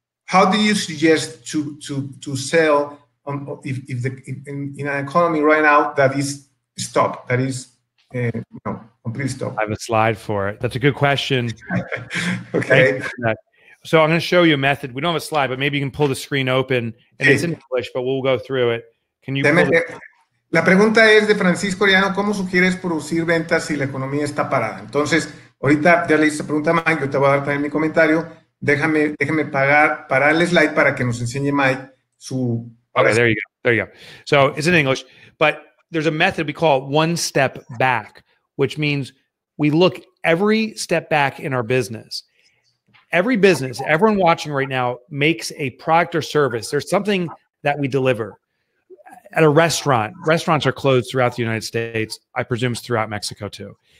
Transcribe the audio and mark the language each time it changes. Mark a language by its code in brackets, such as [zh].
[en] How do you suggest to sell if in an economy right now that is stopped, that is completely stopped? I have a slide for it. That's a good question. Okay. So I'm going to show you a method. We don't have a slide, but maybe you can pull the screen open. And it's in English, but we'll go through it. Can you? [es] La pregunta es de Francisco Ariano. ¿Cómo sugieres producir ventas si la economía está parada? Entonces, ahorita ya le hice la pregunta a Mike, yo te voy a dar también mi comentario. Déjame parar el slide para que nos enseñe Mike su... [en] Okay, there you go, So it's in English, but there's a method we call one step back, which means we look every step back in our business. Every business, everyone watching right now makes a product or service. There's something that we deliver. At a restaurant, restaurants are closed throughout the United States, I presume it's throughout Mexico too.